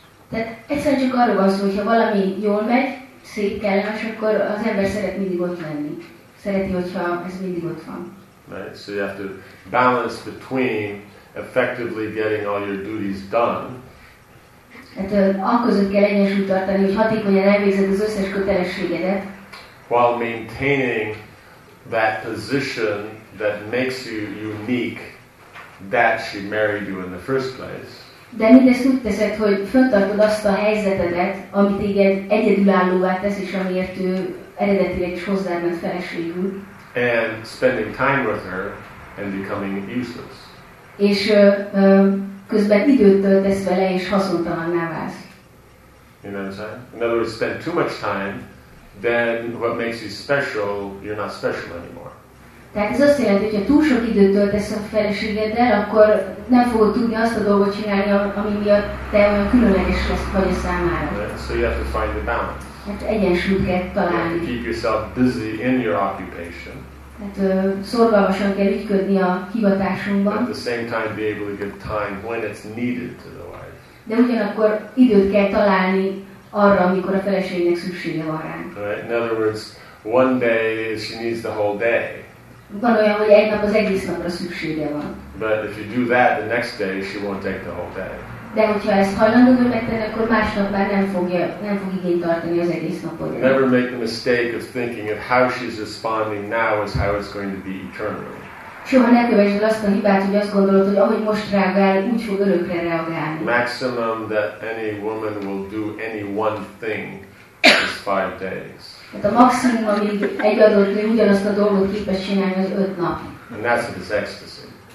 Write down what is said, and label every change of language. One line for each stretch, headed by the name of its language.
Hungarian: Tehát egyszerűen csak arról van szó, hogyha valami jól megy, szép, kellemes, akkor az ember szeret mindig ott lenni. Szereti, hogyha ez mindig ott van.
English: Right, so you have to balance between effectively getting all your duties done.
Hungarian: Tehát akközött kell egyensúlyt tartani, hogy hatékonyan elvégzed az összes kötelességedet.
English: While maintaining that position that makes you unique, that she married you in the first place.
Hungarian: De mindezt úgy teszed, hogy fönntartod azt a helyzetedet, ami téged egyedülállóvá tesz, és amiért ő eredetileg is hozzád ment feleségül.
English: And spending time with her and becoming useless.
Hungarian: És közben időt töltesz vele, és haszontalanná válsz.
English: You know what I'm saying? In other words, spend too much time, then what makes you special, you're not special anymore.
Hungarian: Tehát ez azt jelenti, hogy ha túl sok időt töltesz a feleségeddel, akkor nem fogod tudni azt a dolgot csinálni, ami miatt te olyan különleges vagy a számára.
English: So you have to find the balance.
Hungarian: Hát egyensúlyt kell találni.
English: You keep yourself busy in your occupation.
Hungarian: Hát szorgalmasan kell ügyködni a hivatásunkban.
English: At the same time be able to give time when it's needed to the wife.
Hungarian: De ugyanakkor időt kell találni arra, amikor a feleségnek szüksége van rá.
English: Right? In other words, one day she needs the whole day.
Hungarian: Van olyan, hogy egy nap az egész napra szüksége van.
English: But if you do that, the next day she won't take the whole day.
Hungarian: De hogyha ezt hajlandó megtenni, akkor másnap már nem fog igényt tartani az egész napot.
English: Never make the mistake of thinking of how she's responding now is how it's going to be eternally.
Hungarian: Soha ne kövessd azt a hibát, hogy azt gondolod, hogy ahogy most reagál, úgy fog örökre reagálni.
English: Maximum that any woman will do any one thing is 5 days.
Hungarian: Tehát a maximum, amíg egy adott nő ugyanazt a dolgot képes csinálni, az 5 nap.
English: And that's if it's ecstasy.